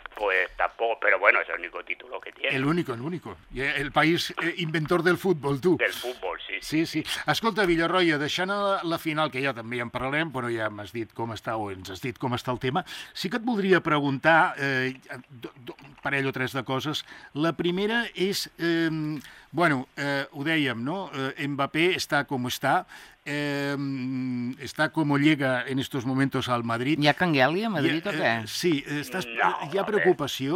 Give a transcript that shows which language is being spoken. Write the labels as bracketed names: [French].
[Spanish] Pues tampoco, pero bueno, es el único título que tiene. El único. El país inventor del fútbol, tú. Del fútbol, sí. Sí. [Catalan] Escolta, Villarroya, deixant la final, que ja també en parlarem, però ja m'has dit com està, o ens has dit com està el tema, sí que et voldria preguntar un parell o tres de coses. La primera és, ho dèiem, no? [Spanish] Mbappé [Catalan] està com està, [Spanish] está como llega en estos momentos al Madrid. ¿Ya canguele a Madrid o qué? Sí, estás, no, ¿ya preocupación?